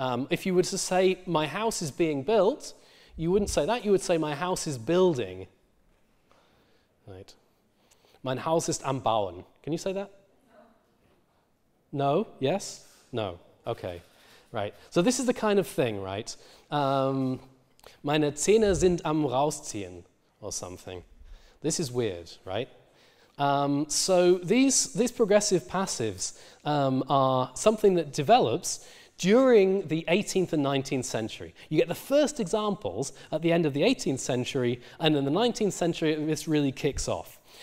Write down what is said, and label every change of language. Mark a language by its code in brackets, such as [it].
[en] If you were to say, my house is being built, you wouldn't say that. You would say, my house is building, right? [de] Mein Haus ist am Bauen. [en] Can you say that? No? Yes? No. Okay. Right. So this is the kind of thing, right? [de] Meine Zähne sind am rausziehen, [en] or something. This is weird, right? So these progressive passives are something that develops during the 18th and 19th century. You get the first examples at the end of the 18th century, and in the 19th century, this really kicks off.